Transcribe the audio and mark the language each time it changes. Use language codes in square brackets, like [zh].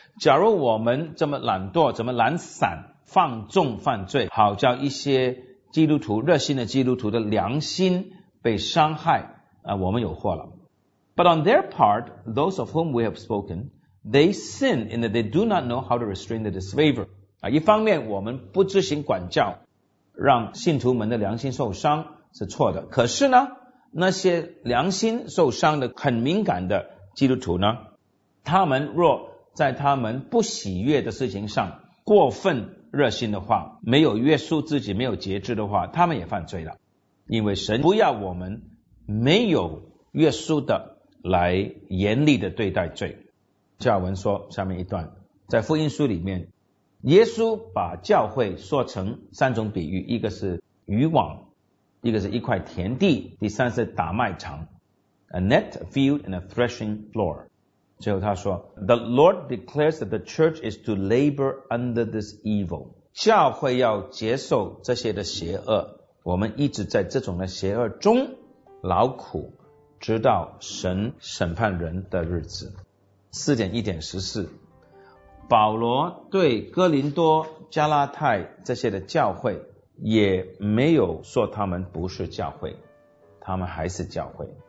[zh] 假如我们这么懒惰，这么懒散，放纵犯罪，好叫一些基督徒，热心的基督徒的良心被伤害，我们有祸了。 [en] But on their part, those of whom we have spoken, they sin in that they do not know how to restrain the disfavor. [zh] 一方面我们不执行管教，让信徒们的良心受伤是错的。可是呢，那些良心受伤的很敏感的基督徒呢，他们若在他们不喜悦的事情上过分热心的话，没有约束自己，没有节制的话，他们也犯罪了。因为神不要我们没有约束的来严厉的对待罪。加尔文说下面一段，在福音书里面耶稣把教会说成三种比喻，一个是渔网，一个是一块田地，第三是打麦场， [en] A net, a field, and a threshing floor. [zh] 最后他说 [en] The Lord declares that the church is to labor under this evil. [zh] 教会要接受这些的邪恶，我们一直在这种的邪恶中劳苦，直到神审判人的日子。 4.1.14 保罗对哥林多、加拉太这些的教会也没有说他们不是教会，他们还是教会。